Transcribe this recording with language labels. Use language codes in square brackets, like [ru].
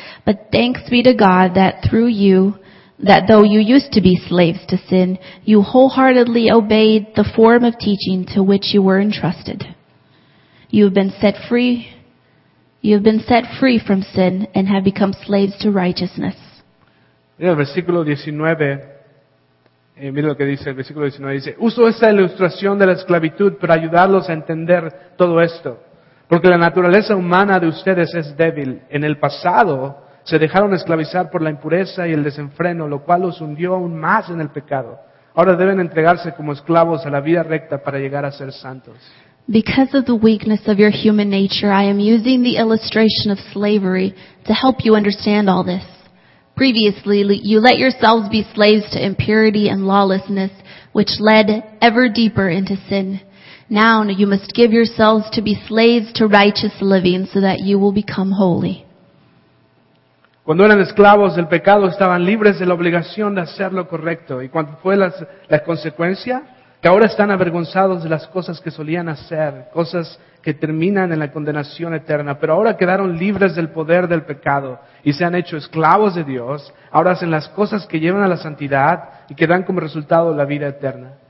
[en] But thanks be to God that through you, that though you used to be slaves to sin, you wholeheartedly obeyed the form of teaching to which you were entrusted. You have been set free. You have been set free from sin and have become slaves to righteousness. [es] Mira el versículo 19. Mira lo que dice el versículo 19. Dice, uso esta ilustración de la esclavitud para ayudarlos a entender todo esto. Porque la naturaleza humana de ustedes es débil. En el pasado, se dejaron esclavizar por la impureza y el desenfreno, lo cual los hundió aún más en el pecado. Ahora deben entregarse como esclavos a la vida recta para llegar a ser santos. [en] Because of the weakness of your human nature, I am using the illustration of slavery to help you understand all this. Previously, you let yourselves be slaves to impurity and lawlessness, which led ever deeper into sin. Now you must give yourselves to be slaves to righteous living so that you will become holy. [es] Cuando eran esclavos del pecado, estaban libres de la obligación de hacer lo correcto. ¿Y cuál fue la consecuencia? Que ahora están avergonzados de las cosas que solían hacer, cosas que terminan en la condenación eterna, pero ahora quedaron libres del poder del pecado y se han hecho esclavos de Dios, ahora hacen las cosas que llevan a la santidad y que dan como resultado la vida eterna.